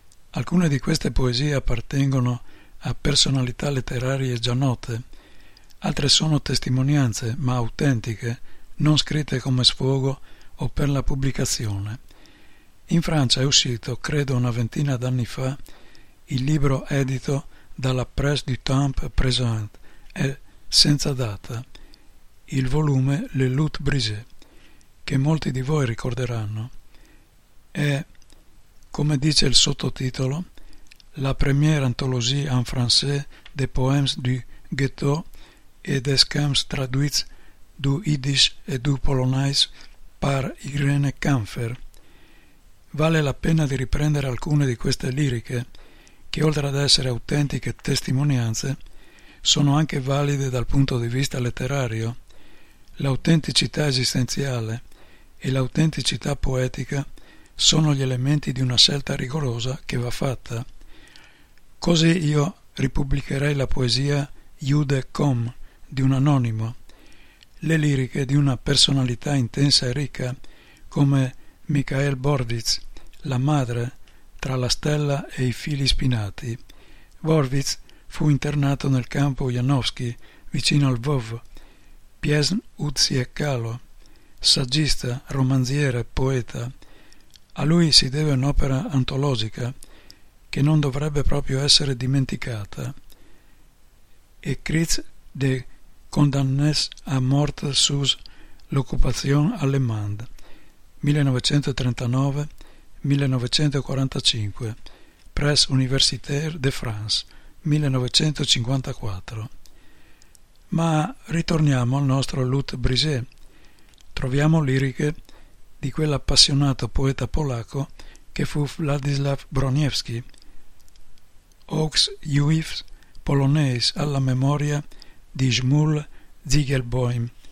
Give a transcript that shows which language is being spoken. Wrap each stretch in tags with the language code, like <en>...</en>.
<it>Alcune di queste poesie appartengono a personalità letterarie già note, altre sono testimonianze, ma autentiche, non scritte come sfogo o per la pubblicazione. In Francia è uscito, credo una ventina d'anni fa, il libro edito dalla Presse du Temps Présent e senza data, il volume Le Lutte Brisée, che molti di voi ricorderanno. È, come dice il sottotitolo,</it> <fr>la première anthologie en français des poèmes du ghetto et des camps traduits du yiddish et du polonais par Irene Kampfer.</fr> <it>Vale la pena di riprendere alcune di queste liriche che, oltre ad essere autentiche testimonianze, sono anche valide dal punto di vista letterario. L'autenticità esistenziale e l'autenticità poetica sono gli elementi di una scelta rigorosa che va fatta. Così io ripubblicherei la poesia Jude.com di un anonimo, le liriche di una personalità intensa e ricca come Mikhail Vorwitz, la madre tra la stella e i fili spinati. Vorwitz fu internato nel campo Janowski vicino al Lvov. Piesn Uzi e Kalo, saggista, romanziere, poeta. A lui si deve un'opera antologica che non dovrebbe proprio essere dimenticata.</it> <fr>Écrits de condamnés à mort sous l'occupation allemande, 1939-1945, Press Universitaire de France, 1954.</fr> <it>Ma ritorniamo al nostro Lute Brisé. Troviamo liriche di quell'appassionato poeta polacco che fu Władysław Broniewski. Aux Juifs Polonais, alla memoria di Szmul Zygielbaum.</it>